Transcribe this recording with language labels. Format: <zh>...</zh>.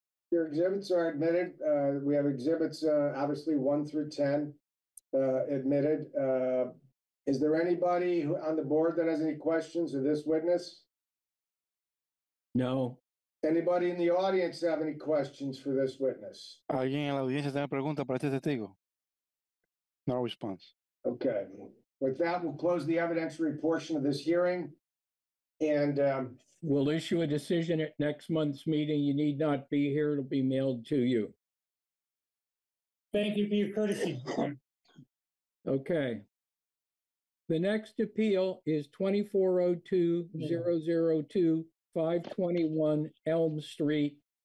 <en>Your exhibits are admitted. We have exhibits, obviously, 1 through 10 admitted. Is there anybody who, on the board that has any questions of this witness? No. Anybody in the audience have any questions for this witness?</en> <es>¿Alguien en la audiencia tiene pregunta para este testigo?</es> <en>No response. Okay. With that, we'll close the evidentiary portion of this hearing. And we'll issue a decision at next month's meeting. You need not be here. It'll be mailed to you. Thank you for your courtesy. Okay. The next appeal is 2402-002-521 Elm Street.</en>